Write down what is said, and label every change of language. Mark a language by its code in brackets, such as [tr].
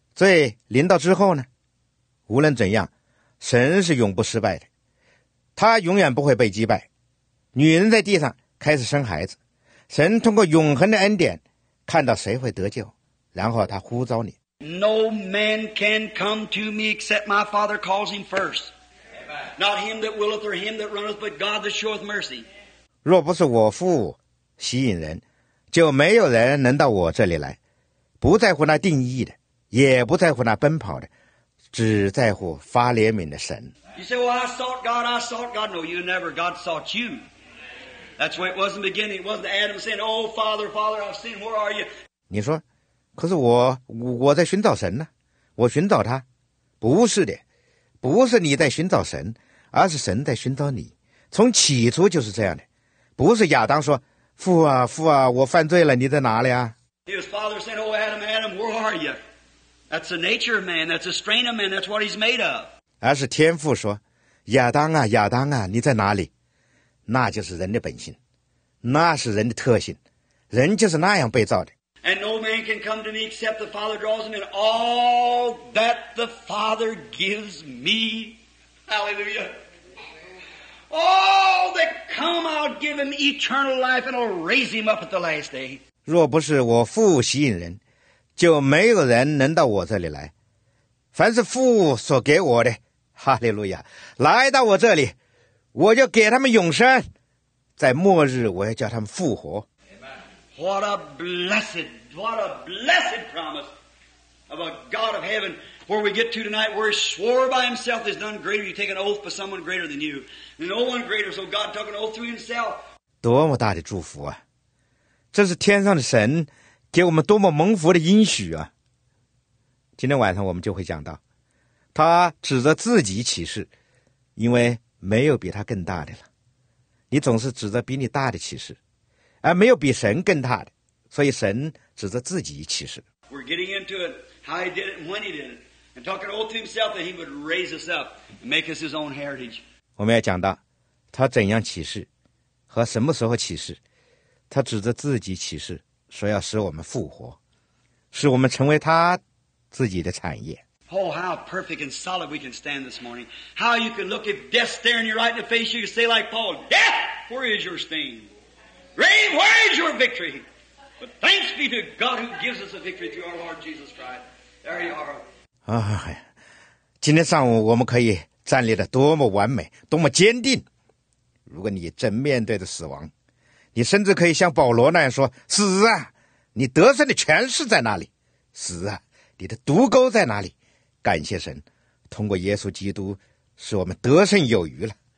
[zh] 罪临到之后呢？无论怎样，神是永不失败的。他永远不会被击败。女人在地上开始生孩子，神通过永恒的恩典看到谁会得救，然后他呼召你。 [en] No man can come to me except my Father calls him first. Not him that willeth or him that runneth, but God that showeth mercy. [zh] 若不是我父吸引人，就没有人能到我这里来。不在乎那定义的，也不在乎那奔跑的，只在乎发怜悯的神。 [en] You say, well, I sought God, I sought God. No, you never. God sought you. That's why it was in the beginning. It wasn't Adam saying, oh, Father, Father, I've sinned. Where are you? [zh] 你说，可是我在寻找神呢，我寻找他，不是的，不是你在寻找神，而是神在寻找你。从起初就是这样的，不是亚当说，父啊，父啊，我犯罪了，你在哪里啊？ [en] His father said, oh, Adam, Adam, where are you? That's the nature of man, that's the strain of man, that's what he's made of. [zh] 而是天父说，亚当啊，亚当啊，你在哪里？那就是人的本性，那是人的特性，人就是那样被造的。 [en] And no man can come to me except the Father draws him, and all that the Father gives me, hallelujah, all that come, I'll give him eternal life, and I'll raise him up at the last day. [zh] 若不是我父吸引人，就没有人能到我这里来。凡是父所给我的，哈利路亚，来到我这里，我就给他们永生，在末日我要叫他们复活。 [en] What a blessed, what a blessed promise of a God of heaven where we get to tonight where he swore by himself is done greater. You take an oath by someone greater than you. No one greater, so God took an oath through himself. [zh] 多么大的祝福啊。这是天上的神给我们多么蒙福的应许啊。今天晚上我们就会讲到他指着自己起誓，因为没有比他更大的了。你总是指着比你大的起誓。而没有比神更大的，所以神指着自己起誓。 [en] We're getting into it, how he did it, and when he did it, and talking all to himself that he would raise us up and make us his own heritage. [zh] 我们要讲到他怎样起誓，和什么时候起誓。他指着自己起誓，说要使我们复活，使我们成为他自己的产业。 [en] Oh, how perfect and solid we can stand this morning! How you can look at death staring you right in the face, you can say like Paul, "Death, where is your sting?" Grave, where is your victory? But thanks be to God who gives us a victory through our Lord Jesus Christ. There you are. [zh] 今天上午我们可以站立得多么完美，多么坚定。如果你正面对着死亡，你甚至可以像保罗那样说：“死啊，你得胜的权势在哪里？死啊，你的毒钩在哪里？” 感谢神，通过耶稣基督，使我们得胜有余了。